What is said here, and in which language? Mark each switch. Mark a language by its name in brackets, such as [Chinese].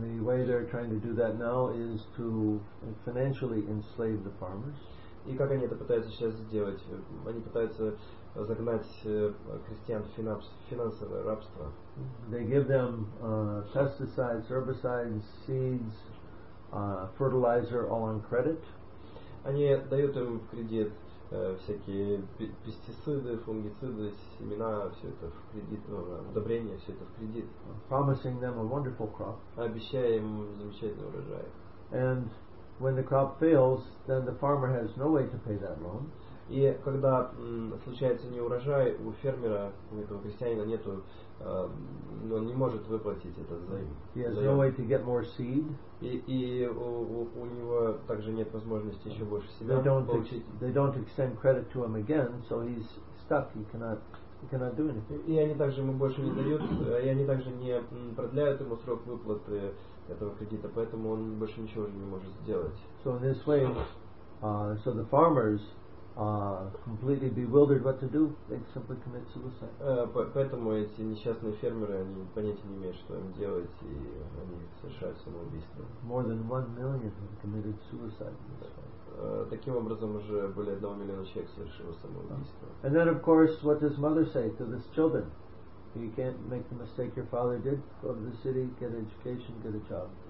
[English] And the way they're trying to do that now is to financially enslave the farmers. [Russian] И как они это пытаются сейчас сделать? Они пытаются загнать крестьян в финансовое рабство. [English] They give them pesticides, herbicides, seeds, fertilizer all on credit. [Russian] Они дают им в кредит всякие пестициды, фунгициды, семена, все это в кредит, удобрения, все это в кредит. [English] Promising them a wonderful crop. [Russian] Обещая им замечательный урожай. [English] And when the crop fails, then the farmer has no way to pay that loan. [Russian] И когда случается неурожай, у фермера, у этого крестьянина нету, он не может выплатить этот займ. [English] He has no way to get more seed. [Russian] И у него также нет возможности еще больше семян получить. [English] They don't extend credit to him again, so he's stuck. He cannot do anything. [Russian] И они также ему больше не дают, и они также не продляют ему срок выплаты этого кредита, поэтому он больше ничего уже не может сделать. [English] So in this way, so the farmers completely bewildered what to do, they simply commit suicide. [Russian] Поэтому эти несчастные фермеры, они понятия не имеют, что им делать, и они совершают самоубийство. [English] More than 1 million have committed suicide. [Russian] Таким образом, уже более 1 миллиона человек совершило самоубийство. [English] And then, of course, what does mother say to these children? You can't make the mistake your father did. Go to the city, get education, get a job.